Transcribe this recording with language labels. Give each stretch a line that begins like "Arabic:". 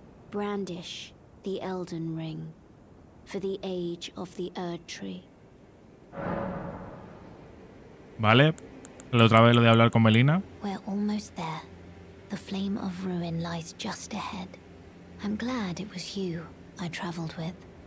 English: Brandish the Elden Ring for the age of the Erdtree.
Spanish: Vale, la otra vez lo de hablar con Melina.
English: We're almost there. The flame of ruin lies just ahead. I'm glad it was you I traveled with.